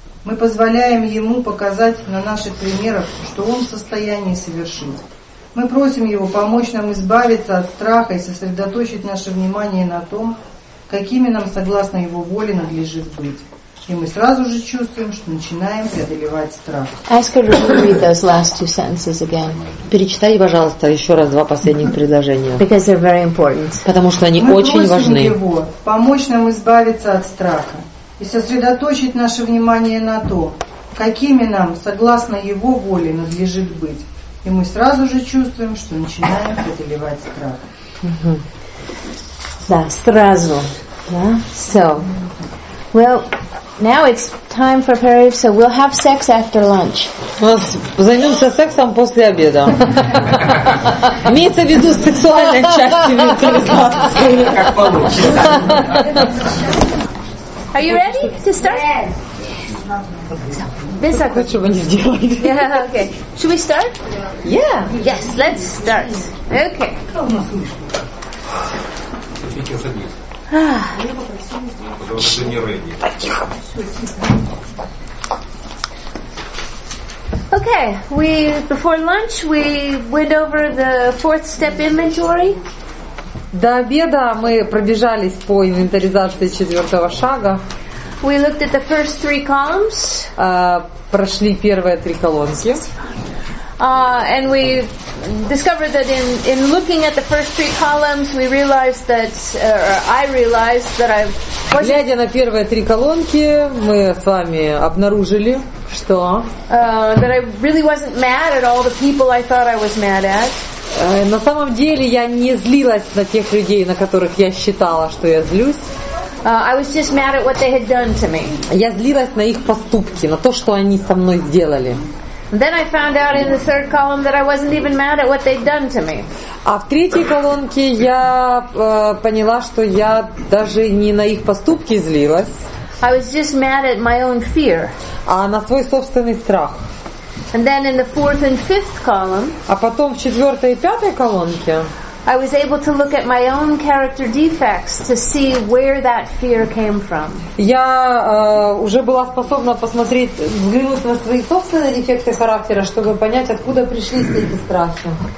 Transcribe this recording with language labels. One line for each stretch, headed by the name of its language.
Russian: Мы позволяем Ему показать на наших примерах, что Он в состоянии совершить. Мы просим Его помочь нам избавиться от страха и сосредоточить наше внимание на том, какими нам, согласно Его воле, надлежит быть. И мы сразу же чувствуем, что начинаем преодолевать страх.
English: Ask her to read those last two sentences again.
Russian: Перечитайте, пожалуйста, еще раз два последних предложения.
English: Because they're very important.
Russian: Потому что они очень важны. Мы просим Его помочь нам избавиться от страха и сосредоточить наше внимание на то, какими нам, согласно Его воле, надлежит быть. И мы сразу же чувствуем, что начинаем преодолевать страх. Да, сразу. Да?
English: So, well, now it's time for prayer, so we'll have sex after lunch.
Russian: Займемся сексом после обеда. Имеется в виду сексуальная часть. Как получится.
English: Are you ready to start? Yes. So,
Russian: хочу, вы не сделали.
English: Yeah, okay. Should we start? Yeah. Yes, let's start. Okay. Okay, before lunch we went over the fourth step inventory.
Russian: До обеда мы пробежались по инвентаризации четвертого шага.
English: We looked at the first three columns.
Russian: Прошли первые три колонки.
English: And we discovered that in looking at the first three columns, we realized that, or I realized that I.
Russian: Глядя на первые три колонки, мы с вами обнаружили, что.
English: That I really wasn't mad at all the people I thought I was mad at.
Russian: На самом деле я не злилась на тех людей, на которых я считала, что я злюсь.
English: I was just mad at what they had done to me.
Russian: Я злилась на их поступки, на то, что они со мной сделали.
English: Then I found out in the third column that I wasn't even mad at what they'd done to me.
Russian: А в третьей колонке я поняла, что я даже не на их поступки злилась.
English: I was just mad at my own fear.
Russian: А на свой собственный страх.
English: And then in the fourth and fifth column.
Russian: А потом в четвертой и пятой колонке.
English: I was able to look at my own character defects to see where that fear came from.
Russian: Я уже была способна посмотреть, взглянуть на свои собственные дефекты характера, чтобы понять, откуда пришли все эти страхи.